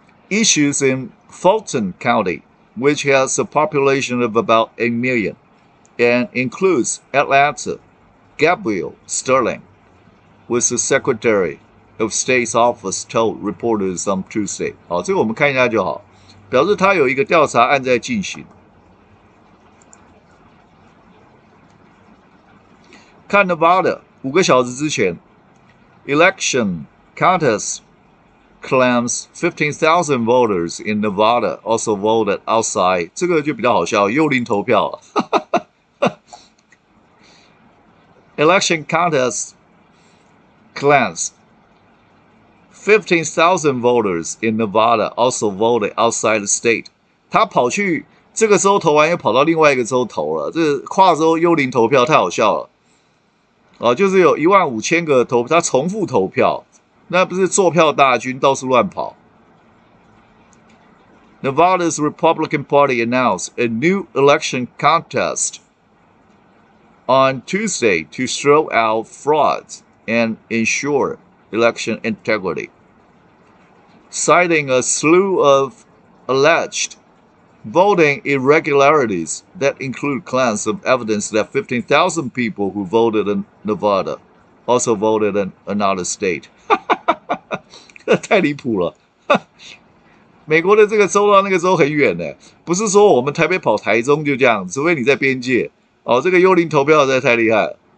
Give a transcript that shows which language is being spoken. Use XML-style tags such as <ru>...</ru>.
<en>Issues in Fulton County. Which has a population of about 8 million, and includes Atlanta, Gabriel Sterling, was the Secretary of State's office told reporters on Tuesday.</en> <zh>好，这个我们看一下就好，表示他有一个调查案在进行。看 Nevada 五个小时之前 ，</zh> <en>Election Countess. Claims 15,000 voters in Nevada also voted outside.</en> <zh>这个就比较好笑，幽灵投票了。</zh> <en>Election counters claims 15,000 voters in Nevada also voted outside the state.</en> <zh>他跑去这个州投完，又跑到另外一个州投了。这个、跨州幽灵投票太好笑了。啊，就是有15,000个投，他重复投票。那不是坐票大军到处乱跑。</zh> <en>Nevada's Republican Party announced a new election contest on Tuesday to throw out frauds and ensure election integrity, citing a slew of alleged voting irregularities that include claims of evidence that 15,000 people who voted in Nevada also voted in another state.</en> <zh>太离谱了，美国的这个州到那个州很远的，不是说我们台北跑台中就这样，除非你在边界哦。这个幽灵投票实在太厉害了。</zh>